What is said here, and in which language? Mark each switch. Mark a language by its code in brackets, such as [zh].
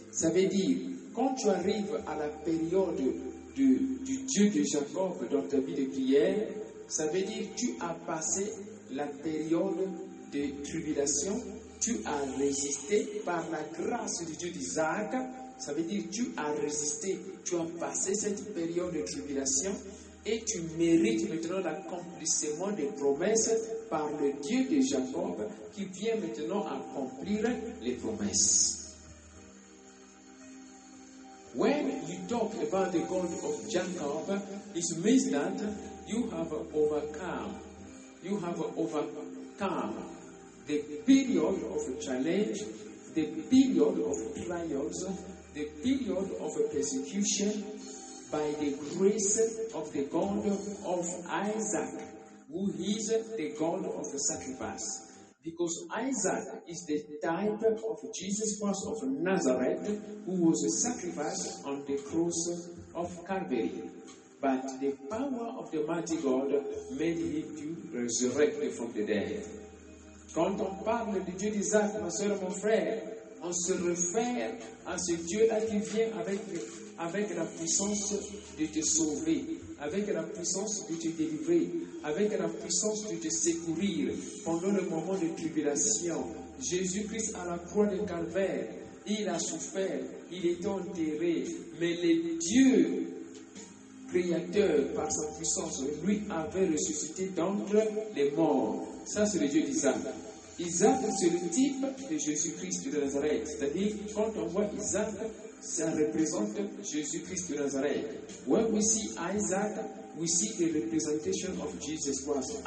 [fr] Ça veut dire, quand tu arrives à la période du Dieu de Jacob dans ta vie de prière, ça veut dire que tu as passé la période de tribulation, tu as résisté par la grâce du Dieu d'Isaac, ça veut dire tu as résisté, tu as passé cette période de tribulation et tu mérites maintenant l'accomplissement des promesses par le Dieu de Jacob qui vient maintenant accomplir les promesses. [en] When you talk about the God of Jacob, it means that you have overcome, the period of challenge, the period of trials, the period of persecution, by the grace of the God of Isaac, who is the God of the sacrifice. Because Isaac is the type of Jesus Christ of Nazareth, who was sacrificed on the cross of Calvary. But the power of the mighty God made him to resurrect from the dead. [fr] Quand on parle du Dieu d'Isaac, ma soeur, mon frère, on se réfère à ce Dieu-là qui vient avec la puissance de te sauver, avec la puissance de te délivrer, avec la puissance de te secourir pendant le moment de tribulation. Jésus-Christ à la croix de Calvaire, il a souffert, il est enterré, mais le Dieu Créateur par sa puissance, lui avait ressuscité d'entre les morts. Ça, c'est le Dieu d'Isaac. Isaac, c'est le type de Jésus-Christ de Nazareth. C'est-à-dire, quand on voit Isaac, ça représente Jésus-Christ de Nazareth. [en] When we see Isaac, we see the representation of Jesus Christ.